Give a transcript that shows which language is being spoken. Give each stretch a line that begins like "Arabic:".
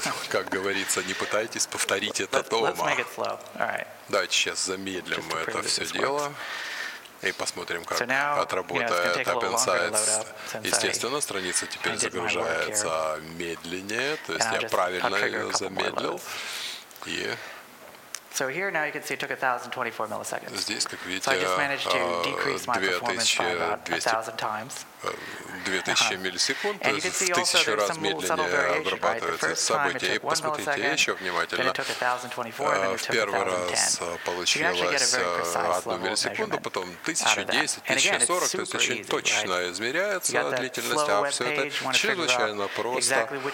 Russian: Как говорится, не пытайтесь повторить это дома.
English: Let's make it slow. All right.
Russian: Давайте сейчас замедлим мы это все дело. И посмотрим, как отработает AppInsight. Естественно, страница теперь загружается медленнее. То есть я правильно ее замедлил. И
English: so here now you can see it took 1024 milliseconds.
Russian: Здесь, как видите,
English: so I just managed to decrease my performance by about 1,000 times.
Russian: 2000 миллисекунд, то есть в 1000 раз медленнее обрабатывается событие. И посмотрите еще внимательно. В первый раз получилось 1 миллисекунду, потом 1010, 1040, то есть очень точно измеряется длительность, а все это чрезвычайно просто.